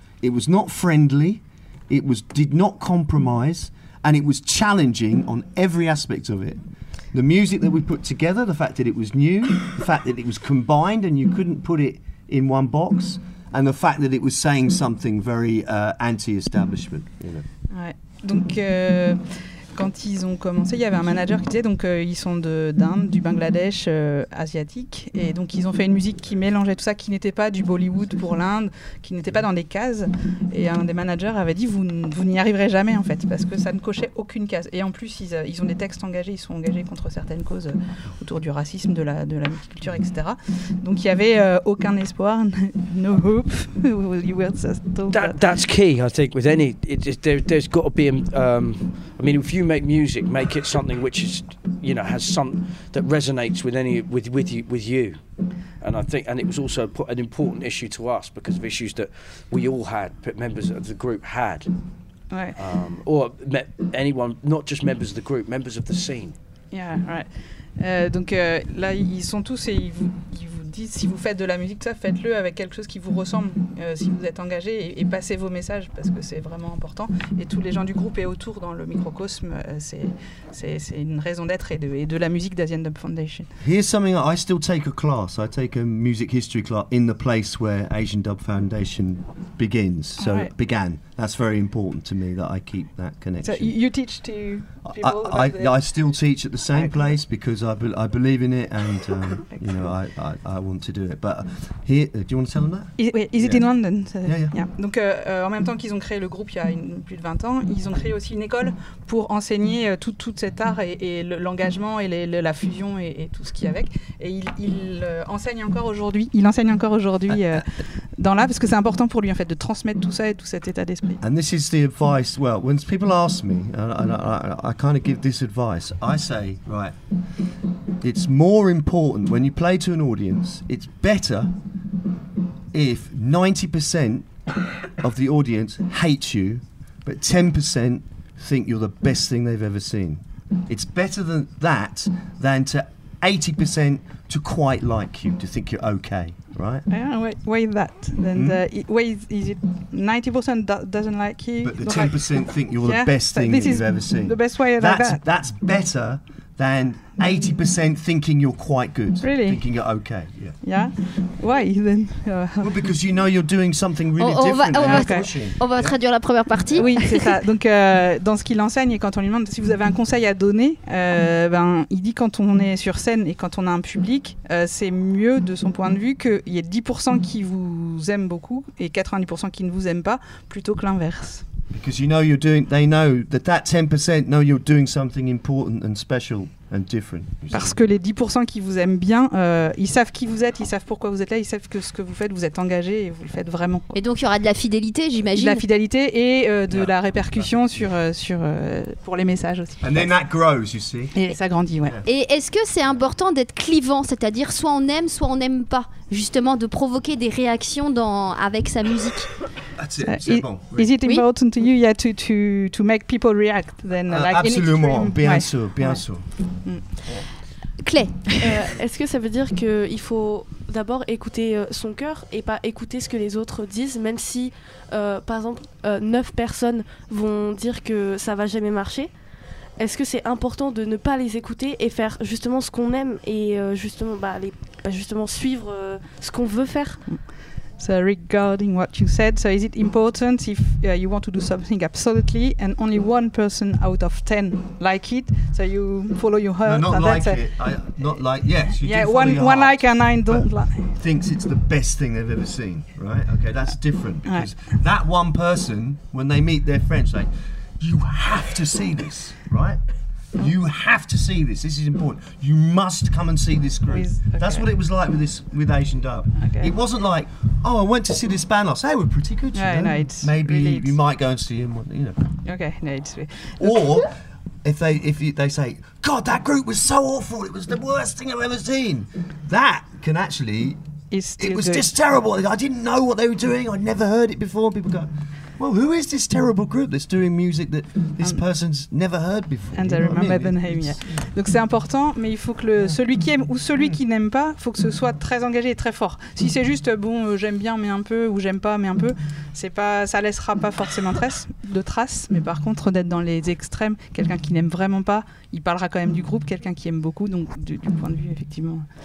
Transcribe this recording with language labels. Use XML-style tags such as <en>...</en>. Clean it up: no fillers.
<en>It was not friendly, it was did not compromise, and it was challenging on every aspect of it. The music that we put together, the fact that it was new, the fact that it was combined and you couldn't put it in one box, and the fact that it was saying something very anti-establishment. You know.</en> <fr>Ouais. Donc, quand ils ont commencé, il y avait un manager qui disait, donc ils sont d'Inde, du Bangladesh, asiatique, et donc ils ont fait une musique qui mélangeait tout ça, qui n'était pas du Bollywood pour l'Inde, qui n'était pas dans des cases, et un des managers avait dit, vous n'y arriverez jamais en fait, parce que ça ne cochait aucune case, et en plus ils ont des textes engagés, ils sont engagés contre certaines causes autour du racisme, de la multiculture, etc. Donc il n'y avait aucun espoir,</fr> <en>no hope, you were just told that. That's key, I think, with any, there's got to be, if you make music, make it something which is, you know, has some that resonates with any with you, and I think, and it was also an important issue to us because of issues that we all had, members of the group had, right, or met anyone, not just members of the group, members of the scene. Yeah, right.</en> <fr>Donc là, ils sont tous et ils vous disent, si vous faites de la musique, ça, faites-le avec quelque chose qui vous ressemble, si vous êtes engagé, et passez vos messages, parce que c'est vraiment important. Et tous les gens du groupe et autour, dans le microcosme, c'est une raison d'être et de la musique d'Asian Dub Foundation.</fr> <en>Here's something, I still take a class, I take a music history class in the place where Asian Dub Foundation begins, so ouais. It began. That's very important to me that I keep that connection. So you teach to people? I still teach at the same place because I believe in it and you know I want to do it. But here, do you want to tell them that? Is it in London? Yeah.</en> <fr>Donc en même temps qu'ils ont créé le groupe il y a plus de 20 ans, ils ont créé aussi une école pour enseigner tout cet art et l'engagement et la fusion et tout ce qu'il y a avec. Et il enseigne encore aujourd'hui dans là parce que c'est important pour lui en fait de transmettre tout ça et tout cet état d'esprit.</fr> <en>And this is the advice, well, when people ask me, I kind of give this advice, I say, right, it's more important when you play to an audience, it's better if 90% of the audience hate you, but 10% think you're the best thing they've ever seen. It's better than that than to 80% to quite like you, to think you're okay. Right. Yeah. Why that? Then why is it 90% doesn't like you? But the 10% think you're the best thing you've ever seen. The best way. That's better than 80% thinking you're quite good. Really? Thinking you're okay, yeah. Yeah? Why then? Well, because you know you're doing something really different.</en> <fr>On va traduire la première partie. Oui, c'est ça. Donc, dans ce qu'il enseigne, et quand on lui demande si vous avez un conseil à donner, il dit quand on est sur scène et quand on a un public, c'est mieux de son point de vue qu'il y ait 10% qui vous aiment beaucoup et 90% qui ne vous aiment pas, plutôt que l'inverse.</fr> <en>Because you know you're doing, they know that that 10% know you're doing something important and special and different.</en> <fr>Parce que les 10% qui vous aiment bien, ils savent qui vous êtes, ils savent pourquoi vous êtes là, ils savent que ce que vous faites, vous êtes engagé et vous le faites vraiment. Et donc il y aura de la fidélité, j'imagine. De la fidélité et de la répercussion pour les messages aussi.</fr> <en>And then that grows, you see.</en> <fr>Et ça grandit, ouais. Yeah. Et est-ce que c'est important d'être clivant, c'est-à-dire soit on aime, soit on n'aime pas, justement de provoquer des réactions avec sa musique.</fr> <en>That's it. Is it important to you? Yeah, to make people react. Then,</en> <fr>absolument, bien sûr. Clé. Est-ce que ça veut dire que il faut d'abord écouter son cœur et pas écouter ce que les autres disent, même si, par exemple, 9 personnes vont dire que ça va jamais marcher? Est-ce que c'est important de ne pas les écouter et faire justement ce qu'on aime et justement suivre ce qu'on veut faire?</fr> <en>So regarding what you said, so is it important if you want to do something absolutely and only one person out of 10 like it, so you follow your heart? No, not and like that's it. One like and nine don't like. Thinks it's the best thing they've ever seen, right? Okay, that's different because that one person, when they meet their friends, like, you have to see this, right? You have to see this. This is important. You must come and see this group. Okay. That's what it was like with Asian Dub. Okay. It wasn't like, oh, I went to see this band. I say, we're pretty good. Yeah, you know? No, it's maybe really you might go and see him. You know. Okay. No, it's really. Or if they say, God, that group was so awful. It was the worst thing I've ever seen. That can actually. It was good. Just terrible. I didn't know what they were doing. I'd never heard it before. People go, well, who is this terrible group that's doing music that this person's never heard before? And I remember the name, yeah.</en> <fr>Donc c'est important, mais il faut que celui qui aime ou celui qui n'aime pas, il faut que ce soit très engagé et très fort. Si c'est juste, bon, j'aime bien, mais un peu, ou j'aime pas, mais un peu, ça laissera pas forcément de traces. Mais par contre, d'être dans les extrêmes, quelqu'un qui n'aime vraiment pas, il parlera quand même du groupe, quelqu'un qui aime beaucoup, donc du point de vue, effectivement.</fr>